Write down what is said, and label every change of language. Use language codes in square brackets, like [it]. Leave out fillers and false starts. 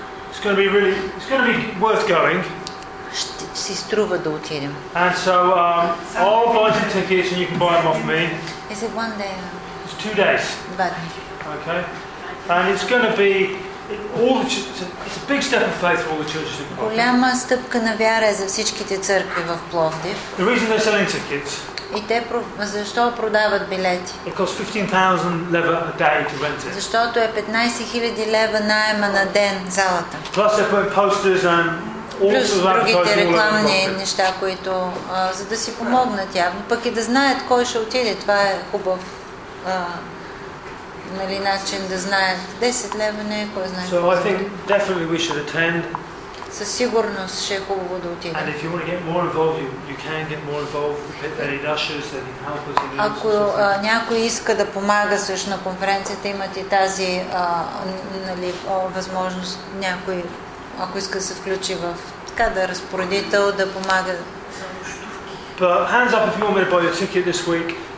[en] It's going to be worth going. [bg] Ще си струва да отидем. [en] And so I'll buy some tickets and you can buy them off me. Is it one day? It's 2 days. [bg] Два дни. [en] Okay. And it's going to be all the it's a big step of faith for all the churches in Plovdiv. [bg] Голяма стъпка на вяра за всичките църкви в Пловдив. [en] The reason they're selling tickets. [bg] И те защо продават билети? [en] It costs 15,000 lever a day to rent it. [bg] Защото е 15,000 лева найема на ден залата. [en] Plus they put posters and all [bg] plus другите рекламни неща, които за да си помогнат явно, пък и да знаят кой ще отиде. Това е хубав нали, начин да знаят. 10 лева не е кой знае. [en] So I think definitely we should attend. [bg] Със сигурност ще е хубаво да отидем. [en] And if you want to get more involved, you can get more involved. Any ushers, any helpers. [bg] Ако някой иска да помага също на конференцията, имат и тази нали, възможност. Някой, ако иска да се включи в така да разпоредител, да помага. [en] But hands up if you want me to buy your ticket this week.